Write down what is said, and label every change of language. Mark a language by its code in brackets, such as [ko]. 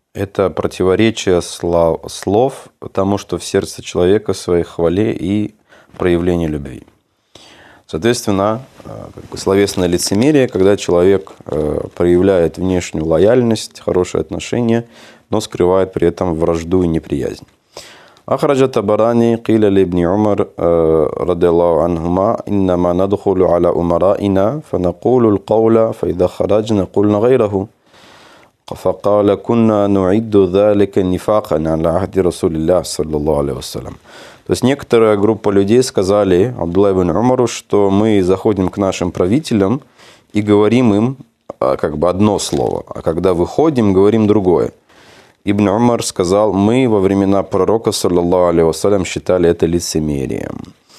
[ru] Это противоречие слов тому, что в сердце человека, в своей хвале и проявлении любви. Соответственно, словесное лицемерие, когда человек проявляет внешнюю лояльность, хорошие отношения, но скрывает при этом вражду и неприязнь. [ar] Ахраджа Табарани قيلَ لابن عمر رضي الله عنهما إنما ندخل على أمرائنا فنقول القول فإذا خرجنا قلنا غيره فقال كنا نعد ذلك نفاقا على عهد رسول الله صلى الله عليه وسلم. [ru] То есть некоторая группа людей сказали Абдулла ибн Умару, что мы заходим к нашим правителям и говорим им как бы одно слово, а когда выходим, говорим другое. Ибн Умар сказал, мы во времена пророка, саллаллаху алейхи вассалям, считали это лицемерием.